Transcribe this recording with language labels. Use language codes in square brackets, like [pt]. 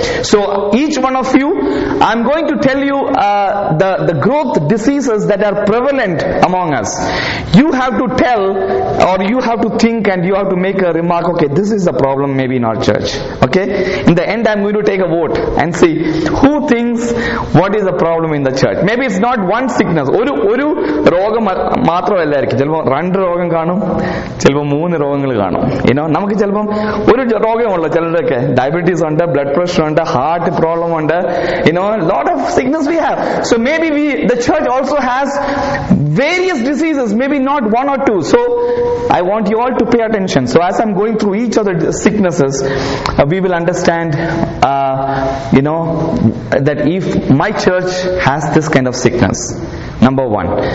[en] So each one of you, I'm going to tell you the growth diseases that are prevalent among us. You have to tell, or you have to think, and you have to make a remark. Okay, this is a problem maybe in our church. Okay? In the end, I'm going to take a vote and see who thinks what is the problem in the church. Maybe it's not one sickness. [ml] ഒരു രോഗം മാത്രമല്ലായിരിക്കും. ചിലപ്പോൾ രണ്ട് രോഗം കാണും, ചിലപ്പോൾ 3 രോഗങ്ങൾ കാണും. ഇനോ, നമുക്ക് ചിലപ്പം ഒരു രോഗമുള്ള ചിലരൊക്കെ ഡയബറ്റീസ് ഉണ്ട്, ബ്ലഡ് പ്രഷർ ഉണ്ട്, ഹാർട്ട് പ്രോബ്ലം ഉണ്ട്, ഇനോ, [en] Lot of sickness we have. So maybe the church also has various diseases, maybe not one or two. So I want you all to pay attention. So as I'm going through each of the sicknesses, we will understand you know, that if my church has this kind of sickness, number one.